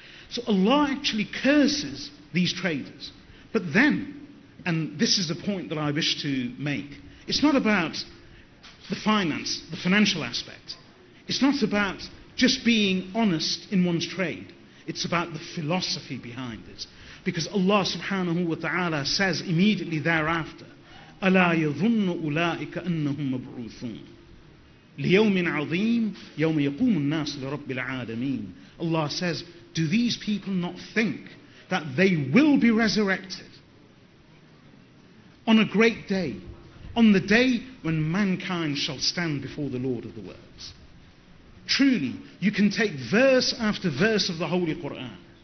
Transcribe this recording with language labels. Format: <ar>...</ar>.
<en>So Allah actually curses these traders. But then, and this is the point that I wish to make, it's not about the finance, the financial aspect. It's not about just being honest in one's trade. It's about the philosophy behind it. Because Allah subhanahu wa ta'ala says immediately thereafter,</en> <ar>أَلَا يَظُنُّ أُولَٰئِكَ أَنَّهُمْ مَبْعُوثُونَ لِيَوْمٍ عَظِيمٍ يَوْمَ يَقُومُ النَّاسُ لِرَبِّ الْعَالَمِينَ.</ar> <en>Allah says, do these people not think that they will be resurrected on a great day, on the day when mankind shall stand before the Lord of the worlds? Truly, you can take verse after verse of the Holy Quran.</en>